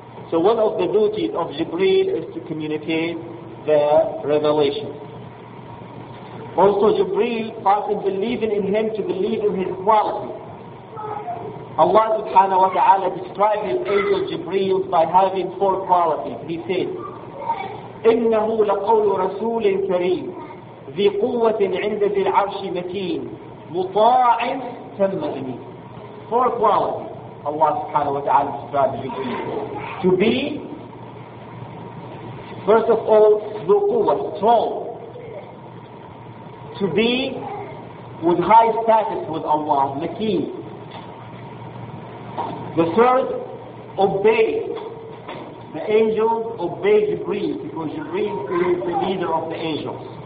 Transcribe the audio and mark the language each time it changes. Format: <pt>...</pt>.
<en>So one of the duties of Jibreel is to communicate the revelation. Also Jibreel passed believing in him to believe in his quality. Allah subhanahu wa ta'ala described his angel Jibreel by having four qualities. He said,</en> <ar>إِنَّهُ لَقَوْلُ رَسُولٍ كَرِيمٍ ذِي قُوَّةٍ عِنْدَ ذِي الْعَرْشِ مَتِينٍ مُطَاعٍ تَمَّ أَمِينٍ.</ar> <en>Four qualities Allah subhanahu wa ta'ala described Jibreel. To be, first of all,</en> <ar>ذُو قُوَّةٍ,</ar> <en>strong. To be with high status with Allah, مَتِينٍ. The third, obey. The angel obey Jibreel because Jibreel is the leader of the angels.</en>